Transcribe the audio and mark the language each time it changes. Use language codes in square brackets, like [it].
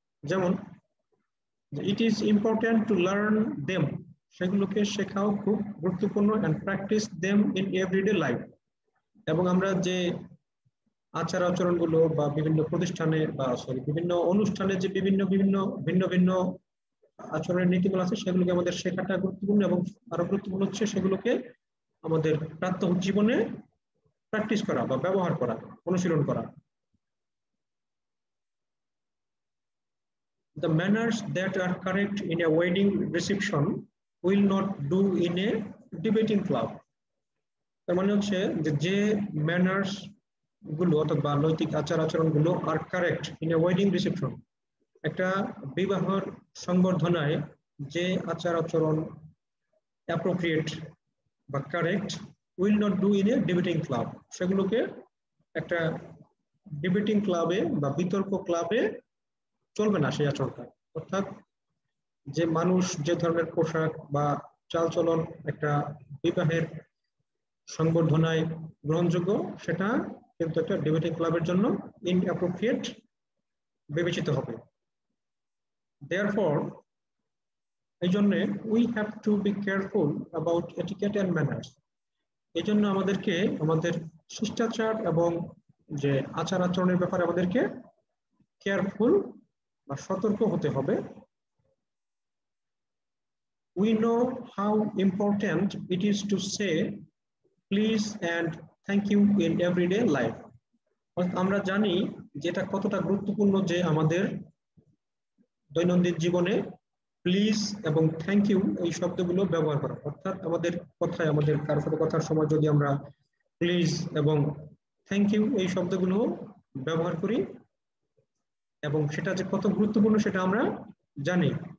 [bn] যেমন [en] it is important to learn them, [bn] সেগুলোকে শেখাও খুব গুরুত্বপূর্ণ, [en] and practise them in everyday life, [bn] এবং আমরা যে আচার আচরণগুলো বা বিভিন্ন প্রতিষ্ঠানে বা সরি বিভিন্ন অনুষ্ঠানে যে বিভিন্ন বিভিন্ন ভিন্ন ভিন্ন আচরণের নীতিগুলো আছে সেগুলোকে আমাদের শেখাটা গুরুত্বপূর্ণ, এবং আরো গুরুত্বপূর্ণ হচ্ছে সেগুলোকে আমাদের প্রাত্য জীবনে প্র্যাকটিস করা বা ব্যবহার করা, অনুশীলন করা। [en] The manners that are correct in a wedding reception will not do in a debating club. [bn] তার মানে হচ্ছে যে ম্যানার্স গুলো অথবা নৈতিক আচার আচরণ গুলো [en] আর correct in a wedding reception, [bn] একটা বিবাহের সংবর্ধনায় যে আচার আচরণ অ্যাপ্রোপ্রিয়েট বা correct, [en] will not do in a debating club, [bn] সেগুলোকে একটা ডিবেটিং ক্লাবে বা বিতর্ক ক্লাবে চলবে না সেই আচরণটা। অর্থাৎ যে মানুষ যে ধরনের পোশাক বা চালচলন একটা বিবাহের সংবর্ধনায় গ্রহণযোগ্য, সেটা কিন্তু একটা ডিবেটিং ক্লাবের জন্য ইন অ্যাপ্রোপ্রিয়েট বিবেচিত হবে। দেয়ারফর, এই জন্যে [en] we have to be careful about etiquette and manners, [bn] এই জন্য আমাদেরকে আমাদের শিষ্টাচার এবং যে আচার আচরণের ব্যাপারে আমাদেরকে কেয়ারফুল বা সতর্ক হতে হবে। [en] We know how important it is to say please and thank you in everyday life. [bn] আমরা জানি যেটা কতটা গুরুত্বপূর্ণ যে আমাদের দৈনন্দিন জীবনে প্লিজ এবং থ্যাংক ইউ এই শব্দগুলো ব্যবহার করা, অর্থাৎ আমাদের কথায় আমাদের কারো সাথে কথার সময় যদি আমরা প্লিজ এবং থ্যাংক ইউ এই শব্দগুলো ব্যবহার করি এবং সেটা যে কত গুরুত্বপূর্ণ সেটা আমরা জানি।